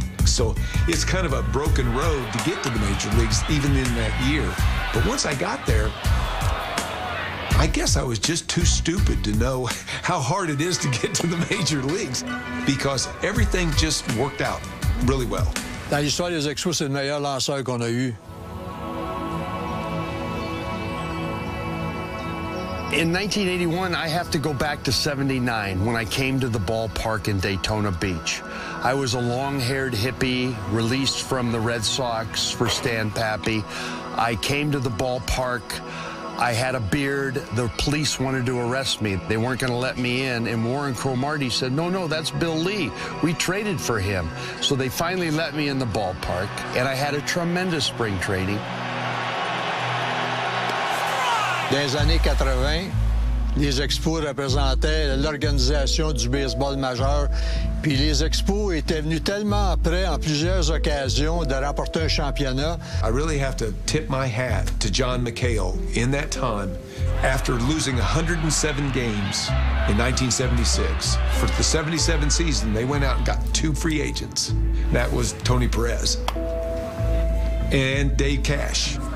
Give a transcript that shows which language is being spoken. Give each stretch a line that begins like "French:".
English: So it's kind of a broken road to get to the major leagues, even in that year. But once I got there, I guess I was just too stupid to know how hard it is to get to the major leagues because everything just worked out really well.
French: Dans l'histoire des Expos, c'est le meilleur lanceur qu'on a eu.
English: In 1981, I have to go back to 79 when I came to the ballpark in Daytona Beach. I was a long-haired hippie released from the Red Sox for Stan Pappy. I came to the ballpark. I had a beard. The police wanted to arrest me. They weren't going to let me in. And Warren Cromartie said, no, no, that's Bill Lee. We traded for him. So they finally let me in the ballpark. And I had a tremendous spring training.
French: Dans les années 80, les Expos représentaient l'organisation du baseball majeur. Puis les Expos étaient venus tellement près en plusieurs occasions de remporter un championnat.
English: I really have to tip my hat to John McHale. In that time, after losing 107 games in 1976, for the 77 season, they went out and got two free agents. That was Tony Perez and Dave Cash.